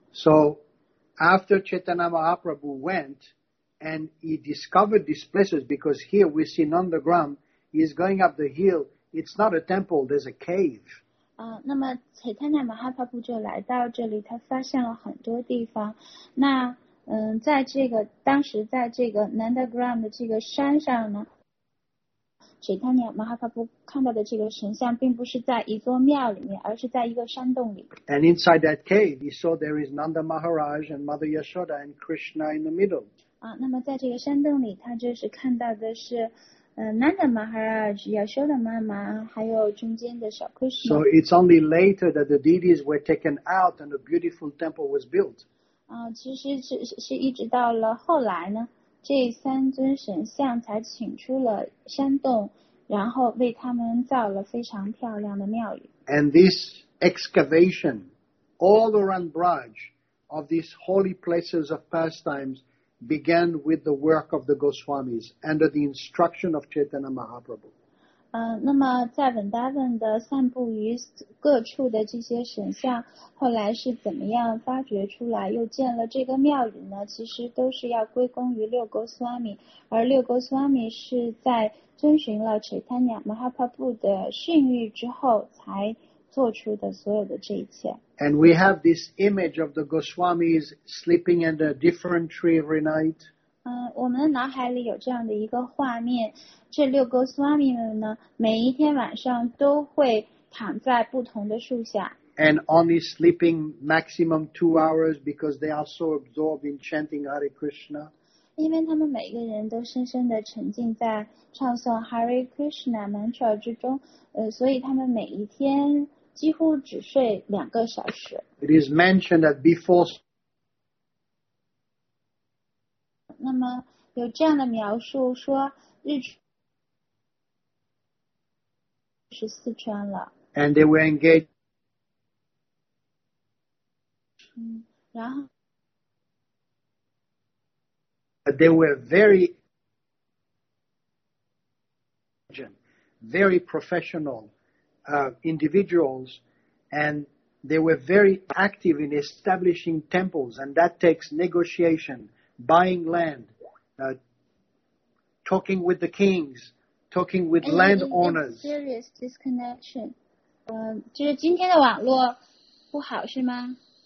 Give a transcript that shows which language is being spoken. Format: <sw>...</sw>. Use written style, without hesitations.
<en>So after Chaitanya Mahaprabhu went and he discovered these places, because here we see on the ground, he's going up the hill, it's not a temple, there's a cave.</en> <zh>那么彩太奶马哈帕布就来到这里，他发现了很多地方。那在这个当时在这个 Nandagram 的这个山上呢，彩太奶马哈帕布看到的这个神像并不是在一座庙里面，而是在一个山洞里。</zh> <en>And inside that cave, he saw there is Nanda Maharaj and Mother Yashoda and Krishna in the middle.</en> <zh>那么在这个山洞里，他就是看到的是。 Nanda Maharaj, Yashoda Mama, 还有中间的小 Krishna.</zh> <en>So it's only later that the deities were taken out and a beautiful temple was built.</en> <zh>其实 是一直到了后来呢，这三尊神像才请出了山洞，然后为他们造了非常漂亮的庙宇。</zh> <en>And this excavation all around Braj of these holy places of pastimes. Began with the work of the Goswamis under the instruction of Chaitanya Mahaprabhu.</en> <zh>那么在 Vrindavan 的散布于各处的这些神像，后来是怎么样发掘出来又建了这个庙宇呢？其实都是要归功于六 Goswami， 而六 Goswami 是在遵循了 Chaitanya Mahaprabhu 的训谕之后才做出的所有的这一切。</zh> <en>And we have this image of the Goswamis sleeping under a different tree every night.</en> <zh>我们的脑海里有这样的一个画面，这六 Goswami 们呢，每一天晚上都会躺在不同的树下。</zh> <en>And only sleeping maximum 2 hours because they are so absorbed in chanting Hare Krishna.</en> <zh>因为他们每个人都深深地沉浸在唱诵 Hare Krishna mantra 之中，所以他们每一天。几乎只睡两个小时。</zh> <en>It is mentioned that before.</en> <zh>那么有这样的描述说日出是四圈了。</zh> <en>And they were engaged.</en> <zh>然后。</zh> <en>But they were very. Very professional. Individuals, and they were very active in establishing temples, and that takes negotiation, buying land, talking with the kings, talking with landowners. Serious disconnection.</en> <zh>就是今天的网络不好是吗？</zh>